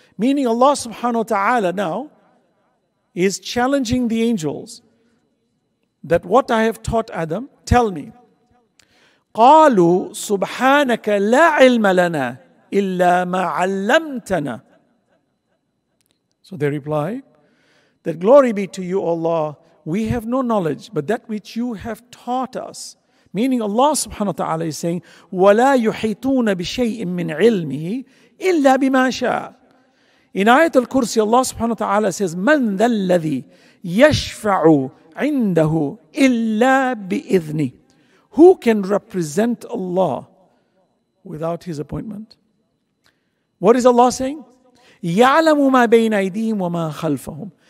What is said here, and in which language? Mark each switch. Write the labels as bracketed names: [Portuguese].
[English] Meaning Allah subhanahu wa ta'ala now is challenging the angels that what I have taught Adam, tell me. [Arabic] قَالُوا سُبْحَانَكَ لَا عِلْمَ لَنَا إِلَّا مَا عَلَّمْتَنَا. [English] So they reply, that glory be to you, Allah. We have no knowledge but that which you have taught us. Meaning Allah subhanahu wa ta'ala is saying, [Arabic] وَلَا يُحِيطُونَ بِشَيْءٍ مِّنْ عِلْمِهِ إِلَّا بِمَا شَاءَ. [English] In Ayatul Kursi, Allah subhanahu wa ta'ala says, [Arabic] مَنْ ذَا الَّذِي يَشْفَعُ عِنْدَهُ إِلَّا بِإِذْنِ. [English] Who can represent Allah without His appointment? What is Allah saying? [Arabic] يَعْلَمُ مَا بَيْنَ أَيْدِيهِمْ وَمَا خَلْفَهُمْ.